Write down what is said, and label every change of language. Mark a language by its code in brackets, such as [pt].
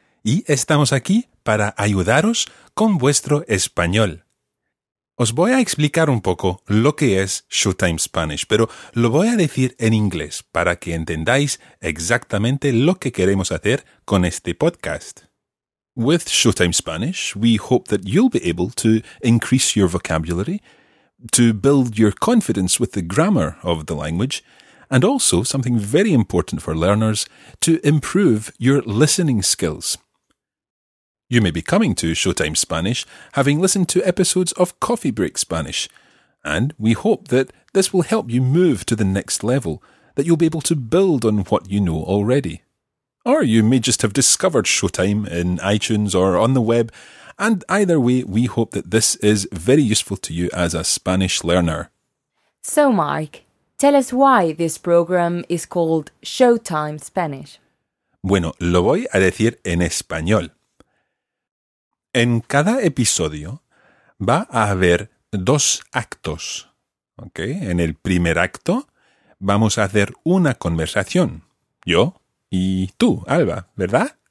[es] Y estamos aquí para ayudaros con vuestro español. Os voy a explicar un poco lo que es Showtime Spanish, pero lo voy a decir en inglés para que entendáis exactamente lo que queremos hacer con este podcast. [en] With Showtime Spanish, we hope that you'll be able to increase your vocabulary, to build your confidence with the grammar of the language, and also, something very important for learners, to improve your listening skills. You may be coming to Showtime Spanish having listened to episodes of Coffee Break Spanish, and we hope that this will help you move to the next level, that you'll be able to build on what you know already. Or you may just have discovered Showtime in iTunes or on the web, and either way, we hope that this is very useful to you as a Spanish learner. So, Mark, tell us why this program is called Showtime Spanish. [es] Bueno, lo voy a decir en español. En cada episodio va a haber dos actos, ¿ok? En el primer acto vamos a hacer una conversación, yo y tú, Alba, ¿verdad?